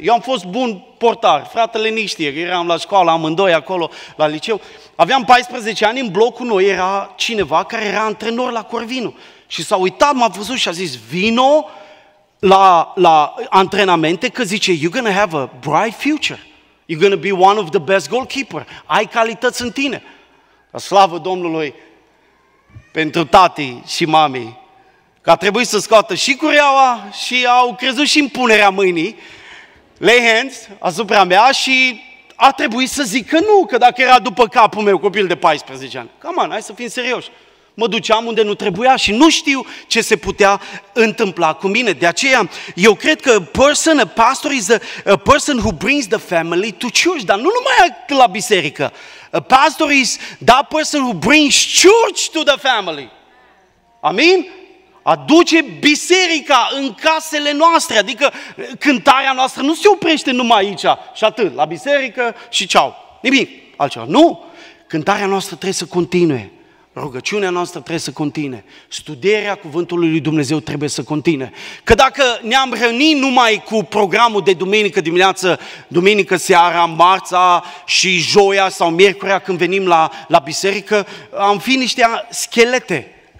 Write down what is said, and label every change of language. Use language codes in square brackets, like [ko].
[ro] Eu am fost bun portar, fratele nici știe, eram la școală amândoi acolo, la liceu. Aveam 14 ani, în blocul noi era cineva care era antrenor la Corvinu. Și s-a uitat, m-a văzut și a zis, vino la antrenamente, că zice, [en] you're gonna have a bright future. You're gonna be one of the best goalkeeper. [ro] Ai calități în tine. La slavă Domnului! Pentru tati și mami, că a trebuit să scoată și cureaua și au crezut și în punerea mâinii, [en] lay hands [ro] asupra mea, și a trebuit să zic că nu, că dacă era după capul meu, copil de 14 ani. [en] Come on, [ro] hai să fim serioși. Mă duceam unde nu trebuia și nu știu ce se putea întâmpla cu mine. De aceea, eu cred că [en] a pastor is a person who brings the family to church, [ro] dar nu numai la biserică. [en] A pastor is that person who brings church to the family. [ro] Amin? Aduce biserica în casele noastre, adică cântarea noastră nu se oprește numai aici și atât, la biserică și ceau. Nimic altceva. Nu! Cântarea noastră trebuie să continue. Rugăciunea noastră trebuie să continue. Studierea Cuvântului lui Dumnezeu trebuie să continue. Că dacă ne-am hrănit numai cu programul de duminică dimineață, duminică seara, marța și joia sau miercurea când venim la biserică, am fi niște schelete.